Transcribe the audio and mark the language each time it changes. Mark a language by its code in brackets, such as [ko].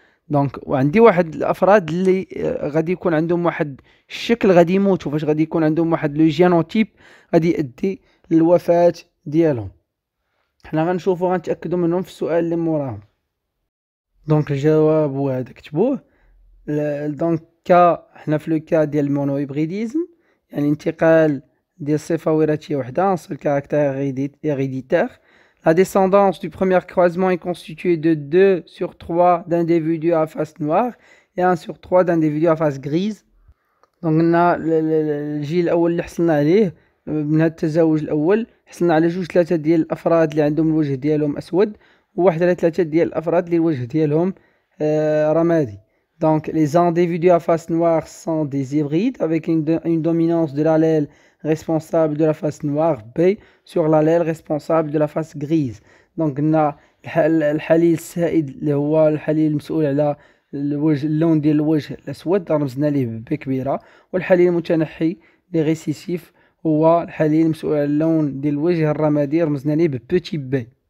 [ar] دونك وعندي واحد الافراد اللي غادي يكون عندهم واحد الشكل غادي يموتوا، فاش غادي يكون عندهم واحد لو جينوتيب غادي يؤدي للوفاه ديالهم. حنا غنشوفوا غنتاكدوا منهم في السؤال اللي موراهم. دونك الجواب هو هذا، كتبوه. دونك كا حنا في لو كا ديال المونو هيبريديزم، يعني انتقال ديال صفة وراثية وحدة عن [fr] سول كاركتير هيريديتير. La descendance du premier croisement est constituée de 2 sur 3 d'individus à face noire et 1 sur 3 d'individus à face grise. Donc, on a le gène [ar] الأول اللي حصلنا عليه من هذا التزاوج الأول، حصلنا على جوج ثلاثة ديال الأفراد اللي عندهم الوجه ديالهم أسود، وواحد على ثلاثة ديال الأفراد اللي الوجه ديالهم رمادي. [fr] Donc, les individus à face noire sont des hybrides avec une dominance de l'allèle responsable de la face noire B sur l'allèle responsable de la face grise. Donc, on a l'allèle [ar] السائد اللي هو الحليل المسؤول على الوجه اللون ديال الوجه الأسود، رمزنا ليه ب كبيرة، والحليل المتنحي اللي ريسيسيف هو الحليل المسؤول على اللون ديال الوجه الرمادي، رمزنا ليه ب بتي ب.